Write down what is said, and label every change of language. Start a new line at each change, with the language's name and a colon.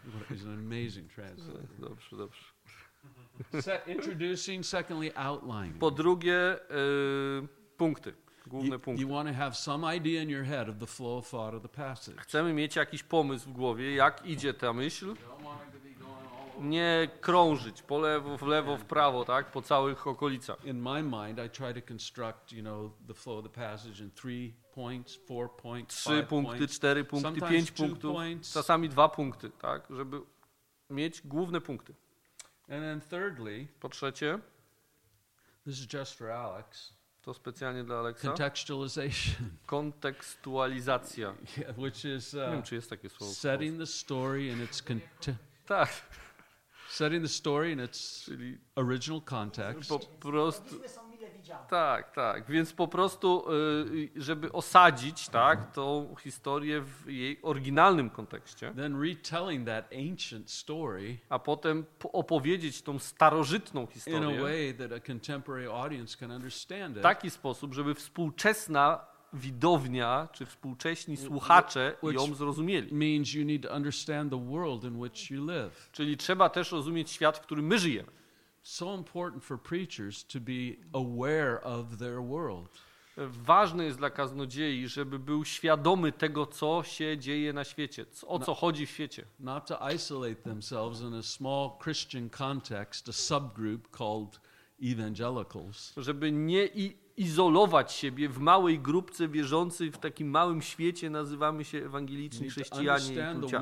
English: He's an amazing translator.
Polish: Dobrze.
English: Introducing, secondly, outlining.
Polish: Po drugie, punkty. Główne punkty.
English: You want to have some idea in your head of the flow of thought of the passage.
Polish: Chcemy mieć jakiś pomysł w głowie, jak idzie ta myśl. Nie krążyć po lewo, w lewo, w prawo, tak, po całych okolicach.
English: In my mind, I try to construct, you know, the flow of the passage in three points, four points,
Polish: trzy punkty, cztery punkty, pięć punktów, czasami dwa punkty, tak, żeby mieć główne punkty.
English: And then thirdly,
Polish: po trzecie,
English: this is just for Alex.
Polish: To specjalnie dla Aleksa.
English: Contextualization.
Polish: Kontekstualizacja.
English: Yeah, which is,
Polish: nie wiem, czy jest takie słowo.
English: Setting the story in its
Polish: tak.
English: Setting the story in its original context.
Polish: Po prostu, tak. Więc po prostu, żeby osadzić, tak, tą historię w jej oryginalnym kontekście.
English: Then retelling that ancient story.
Polish: A potem opowiedzieć tą starożytną historię.
English: In a way that a contemporary audience can understand it.
Polish: W taki sposób, żeby współczesna widownia, czy współcześni słuchacze ją zrozumieli.
English: Means you need to understand the world in which you live.
Polish: Czyli trzeba też rozumieć świat, w którym my żyjemy.
English: So important for preachers to be aware of their world.
Polish: Ważne jest dla kaznodziei, żeby był świadomy tego, co się dzieje na świecie, o co chodzi w świecie.
English: Not to isolate themselves in a small Christian context, a subgroup called evangelicals.
Polish: Żeby nie izolować siebie w małej grupce wierzącej, w takim małym świecie nazywamy się ewangeliczni chrześcijanie.